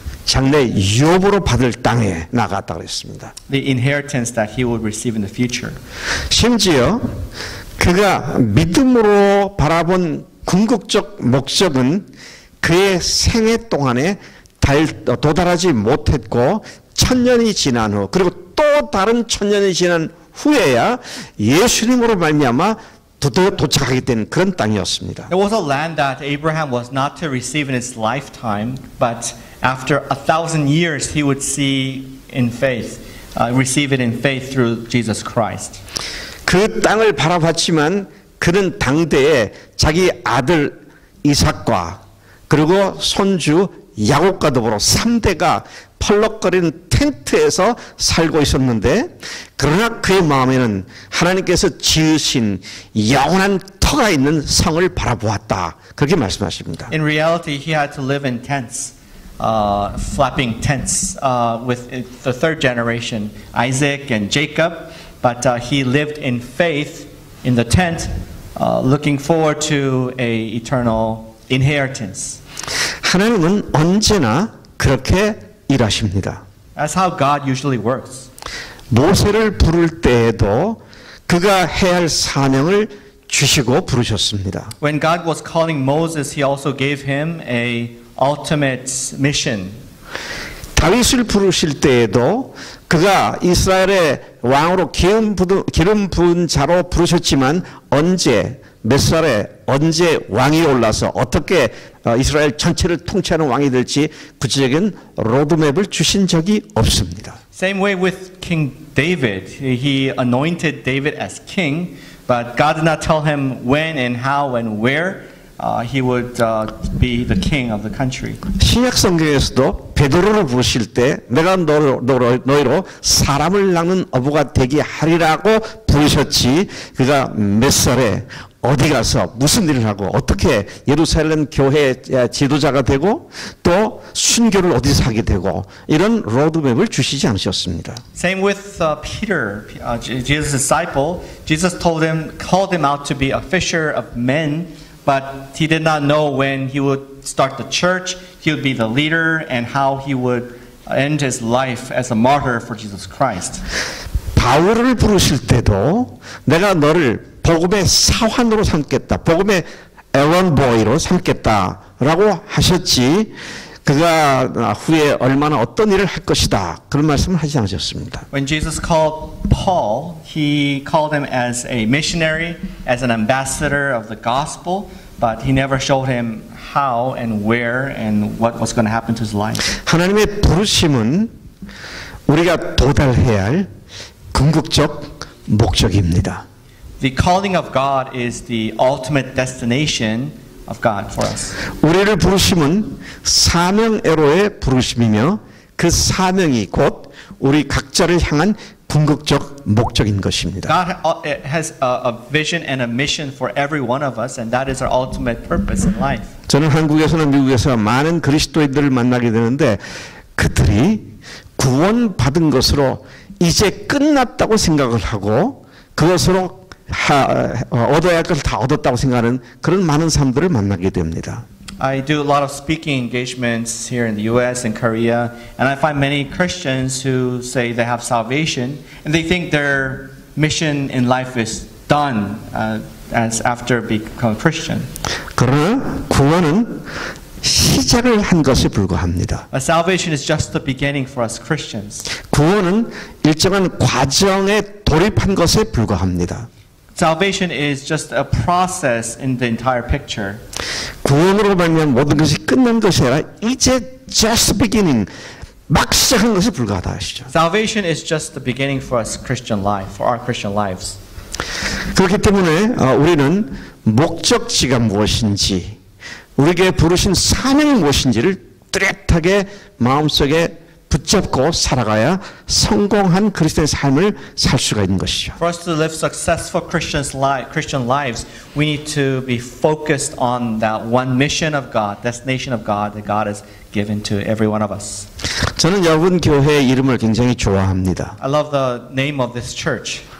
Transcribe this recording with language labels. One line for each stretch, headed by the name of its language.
Korean: 장래 유업으로 받을 땅에 나갔다 그랬습니다.
English: The inheritance that he would receive in the future.
Korean: 심지어 그가 믿음으로 바라본 궁극적 목적은 그의 생애 동안에 도달하지 못했고 천년이 지난 후 그리고 또 다른 천년이 지난 후에야 예수님으로 말미암아 도착하게 된 그런 땅이었습니다.
English: It was a land that Abraham was not to receive in his lifetime, but after 1,000 years, he would see in faith, receive it in faith through Jesus Christ.
Korean: 그 땅을 바라봤지만 그는 당대에 자기 아들 이삭과 그리고 손주 야곱과 더불어 3대가 펄럭거리는 텐트에서 살고 있었는데 그러나 그의 마음에는 하나님께서 지으신 영원한 터가 있는 성을 바라보았다. 그렇게 말씀하십니다.
English: In reality, he had to live in tents. Flapping tents with the third generation, Isaac and Jacob, but he lived in faith in the tent, looking forward to a eternal inheritance.
Korean: 하나님은 언제나 그렇게 일하십니다.
English: That's how God usually works.
Korean: 모세를 부를 때에도 그가 해야 할 사명을 주시고 부르셨습니다.
English: When God was calling Moses, He also gave him a ultimate mission.
Korean: 다윗을 부르실 때에도 그가 이스라엘의 왕으로 기름 부은 자로 부르셨지만 언제 몇 살에 언제 왕이 올라서 어떻게 이스라엘 전체를 통치하는 왕이 될지 구체적인 로드맵을 주신 적이 없습니다.
English: Same way with King David. He anointed David as king, but God did not tell him when and how and where. He would be the king of the country.
Korean: 신약 성경에서도 베드로를 부르실 때 내가 너희로 사람을 낳는 어부가 되게 하리라고 부르셨지 그가 몇 살에 어디 가서 무슨 일을 하고 어떻게 예루살렘 교회의 지도자가 되고 또 순교를 어디서 하게 되고 이런 로드맵을 주시지 않으셨습니다.
English: Same with Peter, Jesus' disciple. Jesus called him out to be a fisher of men. But he did not know when he would start the church, he would be the leader, and how he would end his life as a martyr for Jesus Christ.
Korean: 바울을 부르실 때도 내가 너를 복음의 사환으로 삼겠다, 복음의 에런 보이로 삼겠다라고 하셨지. 그가 후에 얼마나 어떤 일을 할 것이다 그런 말씀을 하지 않으셨습니다.
English: When Jesus called Paul, he called him as a missionary, as an ambassador of the gospel, but he never showed him how and where and what was going to happen to his life.
Korean: 하나님의 부르심은 우리가 도달해야 할 궁극적 목적입니다.
English: The calling of God is the ultimate destination. Of God for us.
Korean: 우리를 부르심은 사명 에로의 부르심이며 그 사명이 곧 우리 각자를 향한 궁극적 목적인 것입니다.
English: God has a vision and a mission for every one of us, and that is our ultimate purpose in life.
Korean: 저는 한국에서나 미국에서 많은 그리스도인들을 만나게 되는데 그들이 구원 받은 것으로 이제 끝났다고 생각을 하고 그것으로 얻어야 할 것을 다 얻었다고 생각하는 그런 많은 사람들을 만나게 됩니다.
English: I do a lot of speaking engagements here in the US and Korea, and I find many Christians who say they have salvation and they think their mission in life is done as after become a Christian.
Korean: 그러나 구원은 시작을 한 것에 불과합니다.
English: A salvation is just the beginning for us Christians.
Korean: 구원은 일정한 과정에 돌입한 것에 불과합니다.
English: Salvation is just a process in the entire picture.
Korean: 구원으로 말하면 모든 것이 끝난 것이 아니라 이제
English: just the beginning,
Korean: 막 시작한 것에 불과하다 하시죠.
English: Salvation is just the beginning for us Christian life, for our Christian lives.
Korean: 그렇기 때문에 우리는 목적지가 무엇인지 우리에게 부르신 사명이 무엇인지를 뚜렷하게 마음속에 붙잡고 살아가야 성공한 그리스도의 삶을 살 수가 있는 것이죠.
English: For us to live successful Christian lives, we need to be focused on that one mission of God, destination of God that God has given to every one of us.
Korean: 저는 여분 교회의 이름을 굉장히 좋아합니다.
English: I love the name of this church.